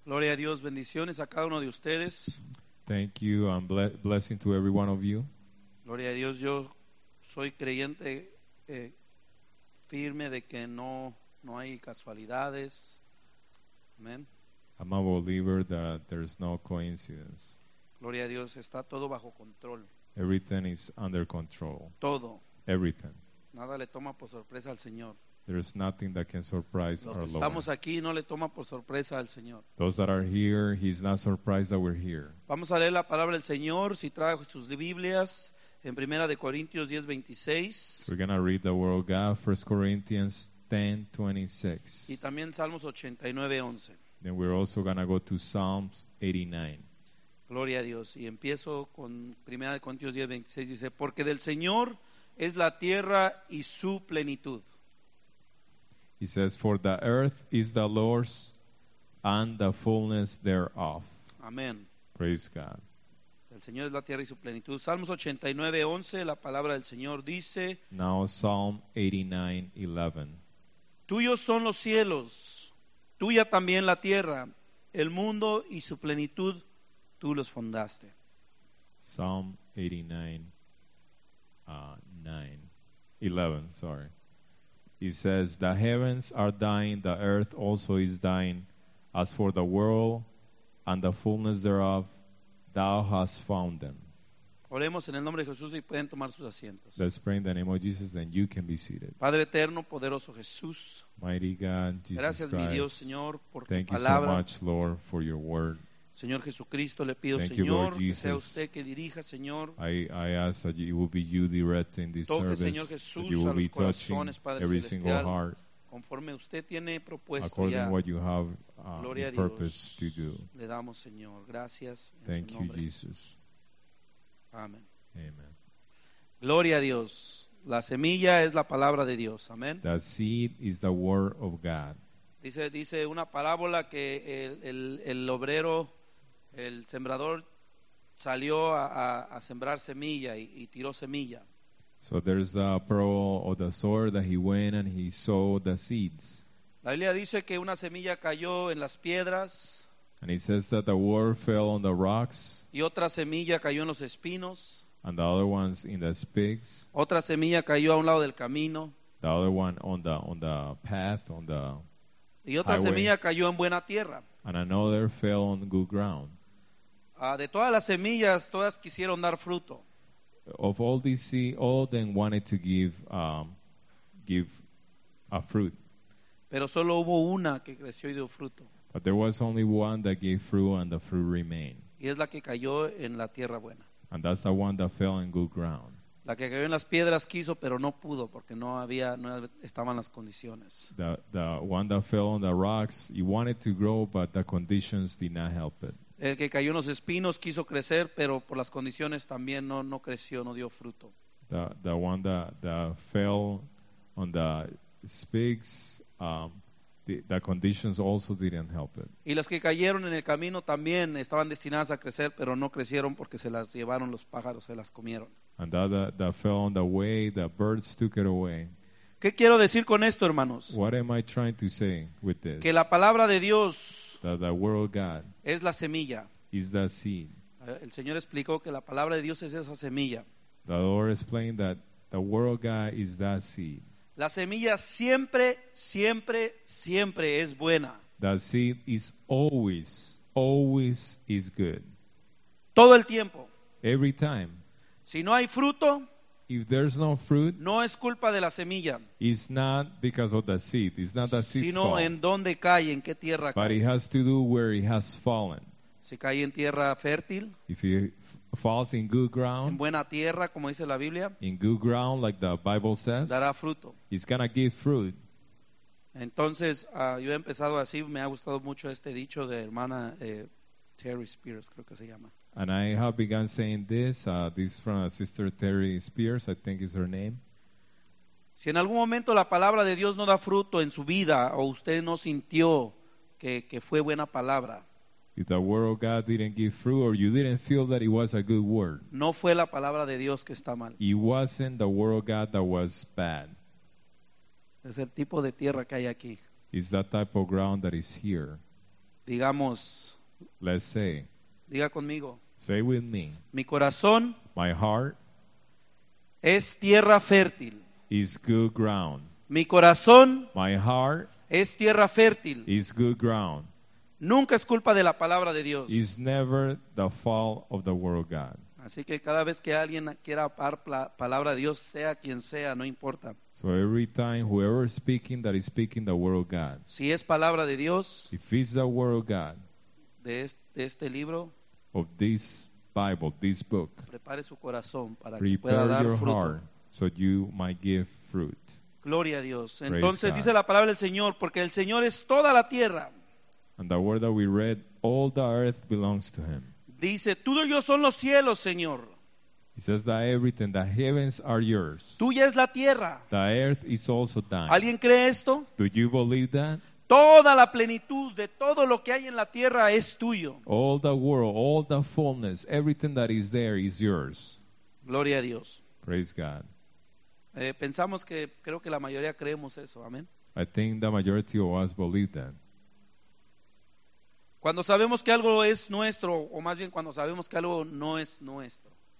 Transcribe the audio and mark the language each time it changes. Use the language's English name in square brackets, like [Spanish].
[Spanish] Gloria a Dios, bendiciones a cada uno de ustedes. [English] Thank you, blessing to every one of you. [Spanish] Gloria a Dios, yo soy creyente firme de que no hay casualidades. Amen. [English] I'm a believer that there is no coincidence. [Spanish] Gloria a Dios, está todo bajo control. [English] Everything is under control. [Spanish] Todo. [English] Everything. [Spanish] Nada le toma por sorpresa al Señor. [English] There is nothing that can surprise [Spanish] Los [English] our Lord. [Spanish] Estamos aquí, no le toma por sorpresa al Señor. [English] Those that are here, he's not surprised that we're here. [Spanish] Vamos a leer la palabra del Señor, si trajo sus Biblias, en Primera de Corintios 10:26. [English] We're going to read the word of God, 1 Corinthians 10:26. [Spanish] Y también Salmos 89:11. [English] Then we're also going to go to Psalms 89. [Spanish] Gloria a Dios. Y empiezo con Primera de Corintios 10:26. Dice, porque del Señor es la tierra y su plenitud. [English] He says, for the earth is the Lord's and the fullness thereof. Amen. Praise God. [Spanish] El Señor es la tierra y su plenitud. Salmos 89:11, la palabra del Señor dice. [English] Now Psalm 89:11. [Spanish] Tuyos son los cielos, tuya también la tierra, el mundo y su plenitud, tú los fundaste. [English] Psalm 89:11. He says, the heavens are thine, the earth also is thine. As for the world and the fullness thereof, thou hast found them. [Spanish] Oremos en el nombre de Jesús y pueden tomar sus asientos. [English] Let's pray in the name of Jesus, then you can be seated. [Spanish] Padre eterno, poderoso Jesús. [English] Mighty God, Jesus [Spanish] gracias, [English] Christ. [Spanish] Gracias, mi Dios, Señor, por [English] Thank [Spanish] tu palabra. [English] Thank you so much, Lord, for your word. [Spanish] Señor Jesucristo, le pido, [English] Thank [Spanish] Señor, [English] you, Lord Jesus. [Spanish] Que sea usted que dirija, Señor. [English] I ask that it will be you directing this [Spanish] Toque, [English] service. Señor Jesús, that you will a los be touching every single heart. [Spanish] Conforme usted tiene propuesto [English] according [Spanish] ya. [English] What you have [Spanish] Gloria a Dios. [English] Purpose to do. [Spanish] Le damos, Señor. Gracias. [English] Thank [Spanish] en su [English] you, Jesus. [Spanish] Amen. [English] Amen. [Spanish] Gloria a Dios. La semilla es la palabra de Dios. Amen. [English] The seed is the word of God. [Spanish] Dice una parábola que el obrero, el sembrador, salió a sembrar semilla y tiró semilla. [English] So there's the parable of the sower that he went and he sowed the seeds. [Spanish] La Biblia dice que una semilla cayó en las piedras. [English] And it says that the word fell on the rocks. [Spanish] Y otra semilla cayó en los espinos. [English] And the other ones in the spikes. [Spanish] Otra semilla cayó a un lado del camino. [English] The other one on the path, on the [Spanish] Y otra [English] highway. [Spanish] Semilla cayó en buena tierra. [English] And another fell on good ground. [Spanish] De todas las semillas, todas quisieron dar fruto. [English] Of all these seed, all of them wanted to give a fruit. [Spanish] Pero solo hubo una que creció y dio fruto. [English] But there was only one that gave fruit and the fruit remained. [Spanish] Y es la que cayó en la tierra buena. [English] And that's the one that fell in good ground. [Spanish] La que cayó en las piedras quiso, pero no pudo, porque no estaban las condiciones. [English] The one that fell on the rocks, he wanted to grow, but the conditions did not help it. [Spanish] El que cayó en los espinos quiso crecer, pero por las condiciones también no creció, no dio fruto. [English] The one that fell on the spikes, the conditions also didn't help it. [Spanish] Y los que cayeron en el camino también estaban destinadas a crecer, pero no crecieron porque se las llevaron los pájaros, se las comieron. [English] And that fell on the way, the birds took it away. [Spanish] ¿Qué quiero decir con esto, hermanos? [English] What am I trying to say with this? [Spanish] Que la palabra de Dios [English] the word of God [Spanish] es la semilla. [English] Is the seed. [Spanish] El Señor explicó que la palabra de Dios es esa semilla. [English] The Lord explained that the word of God is that seed. [Spanish] La semilla siempre, siempre, siempre es buena. [English] The seed is always, always is good. [Spanish] Todo el tiempo. [English] Every time. [Spanish] Si no hay fruto, [English] if there's no fruit, [Spanish] no es culpa de la semilla. [English] It's not because of the seed. It's not the seed's [Spanish] sino [English] fault. [Spanish] En dónde cae, en qué tierra cae. [English] But it has to do where it has fallen. [Spanish] Si cae en tierra fértil, [English] if it falls in good ground, [Spanish] en buena tierra, como dice la Biblia, [English] in good ground, like the Bible says, [Spanish] dará fruto. [English] It's going to give fruit. [Spanish] Entonces, yo he empezado así. Me ha gustado mucho este dicho de hermana Terry Spears, creo que se llama. [English] And I have begun saying this. This is from Sister Terry Spears, I think is her name. [Spanish] Si en algún momento la palabra de Dios no da fruto en su vida, o usted no sintió que fue buena palabra, [English] if the word of God didn't give fruit, or you didn't feel that it was a good word, [Spanish] no fue la palabra de Dios que está mal. [English] It wasn't the word of God that was bad. [Spanish] Es el tipo de tierra que hay aquí. [English] It's that type of ground that is here. [Spanish] digamos, [English] let's say, [Spanish] diga conmigo, [English] say with me, [Spanish] mi corazón, [English] my heart, [Spanish] es tierra fértil, [English] is good ground. [Spanish] Mi corazón, [English] my heart, [Spanish] es tierra fértil, [English] is good ground. [Spanish] Nunca es culpa de la palabra de Dios. [English] It's never the fault of the word of God. [Spanish] Así que cada vez que alguien quiera par la palabra de Dios, sea quien sea, no importa. [English] So every time whoever is speaking that is speaking the word of God. [Spanish] Si es palabra de Dios. [English] If it's the word of God. [Spanish] De este libro. [English] Of this Bible, this book. [Spanish] Prepare su corazón para que pueda dar fruto. [English] Prepare your heart so you might give fruit. [Spanish] Gloria a Dios. Entonces dice la palabra del Señor, porque el Señor es toda la tierra. [English] And the word that we read, all the earth belongs to him. [Spanish] Dice, tuyos son los cielos, Señor. [English] He says that everything, the heavens are yours. [Spanish] Tuya es la tierra. [English] The earth is also thine. [Spanish] ¿Alguien cree esto? [English] Do you believe that? [Spanish] Toda la plenitud de todo lo que hay en la tierra es tuyo. [English] All the world, all the fullness, everything that is there is yours. [Spanish] Gloria a Dios. [English] Praise God. [Spanish] Pensamos que, creo que la mayoría creemos eso, amén. [English] I think the majority of us believe that. [Spanish] Cuando sabemos que algo es nuestro, o más bien cuando sabemos que algo no es nuestro.